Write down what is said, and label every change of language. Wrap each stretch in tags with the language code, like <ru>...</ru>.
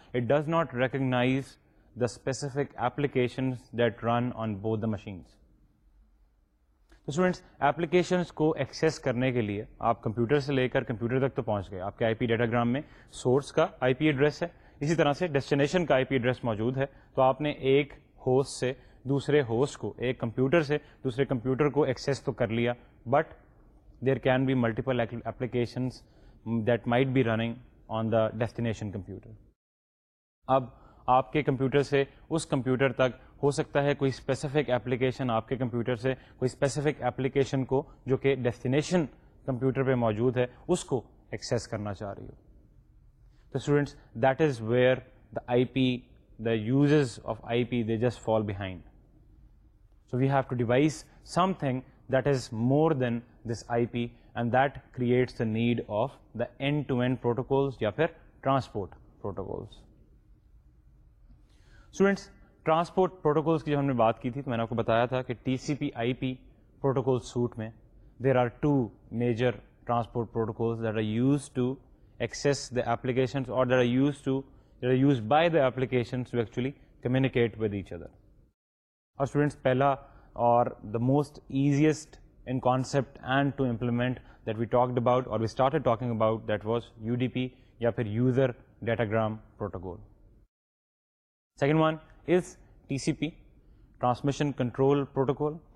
<en>It does not recognize the specific applications that run on both the machines.</en> <ur>تو students, applications کو access کرنے کے لیے آپ کمپیوٹر سے لے کر کمپیوٹر تک تو پہنچ گئے. آپ کے آئی پی ڈیٹاگرام میں سورس کا آئی پی ایڈریس ہے, اسی طرح سے ڈیسٹینیشن کا آئی پی ایڈریس موجود ہے. تو آپ نے ایک ہوسٹ سے دوسرے ہوسٹ کو, ایک کمپیوٹر سے دوسرے کمپیوٹر کو ایکسیس تو کر لیا,</ur> <en>But there can be multiple applications that might be running on the destination computer.</en> <ur>اب آپ کے کمپیوٹر سے اس کمپیوٹر تک ہو سکتا ہے کوئی اسپیسیفک ایپلیکیشن, آپ کے کمپیوٹر سے کوئی اسپیسیفک ایپلیکیشن کو جو کہ ڈیسٹینیشن کمپیوٹر پہ موجود ہے اس کو ایکسیس کرنا چاہ رہی ہو.</ur> <en>تو students, that is where the I P, the uses of I P, they just fall behind. So we have to devise something that is more than this I P, and that creates the need of the end to end protocols</en> <ur>یا پھر</ur> <en>Transport protocols.</en> <ur>Students, transport protocols کی جو ہم نے بات کی تھی, تو میں نے آپ کو بتایا تھا کہ ٹی سی پی آئی پی پروٹوکول سوٹ میں</ur> <en>There are two major transport protocols that are use to access the applications, اور that are use to that are use by the applications to actually communicate with each other. اور students, پہلا اور the most easiest in concept and to implement that we talked about اور we started talking about that was U D P</en> <ur>یا پھر</ur> <en>User datagram protocol. Second one is T C P, transmission control protocol.</en>